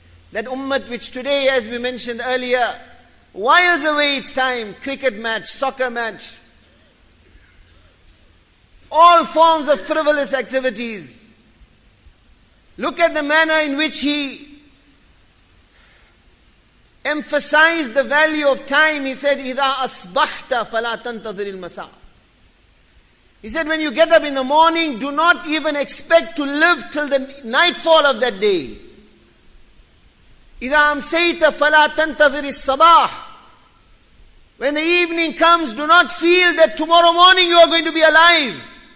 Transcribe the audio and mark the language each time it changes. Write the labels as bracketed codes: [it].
[en] That ummah which today, as we mentioned earlier, whiles away its time, cricket match, soccer match, all forms of frivolous activities. Look at the manner in which he emphasized the value of time. He said, [ar] إِذَا أَصْبَحْتَ فَلَا تَنْتَظِرِ الْمَسَاءِ. [en] He said, when you get up in the morning, do not even expect to live till the nightfall of that day. [ar] إِذَا أَمْسَيْتَ فَلَا تَنْتَظِرِ الصَّبَاحِ. [en] When the evening comes, do not feel that tomorrow morning you are going to be alive.